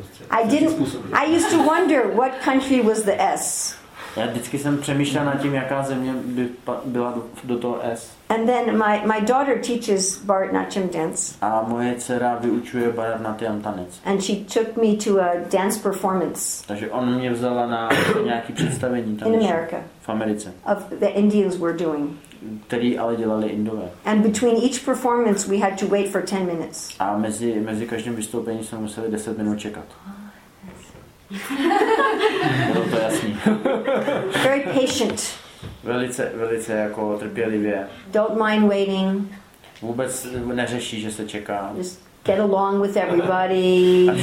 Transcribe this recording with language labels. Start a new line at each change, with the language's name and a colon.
English: I used to wonder what country was the S.
Czech: Já vždycky jsem přemýšlel nad tím, jaká země by byla do toho S.
English: And then my daughter teaches Bharatanatyam dance.
Czech: A moje dcera vyučuje Bharatanatyam tanec.
English: And she took me to a dance performance.
Czech: Takže ona mě vzala na nějaký představení tanec.
English: In America.
Czech: V Americe.
English: Of the Indians were doing.
Czech: Který ale dělali Indové.
English: And between each performance we had to wait for 10 minutes.
Czech: A mezi každým vystoupením jsme museli 10 minut čekat. Bylo to jasný.
English: Very patient.
Czech: Velice jako trpělivě.
English: Don't mind waiting.
Czech: Vůbec neřeší, že se čeká.
English: Just get along with everybody.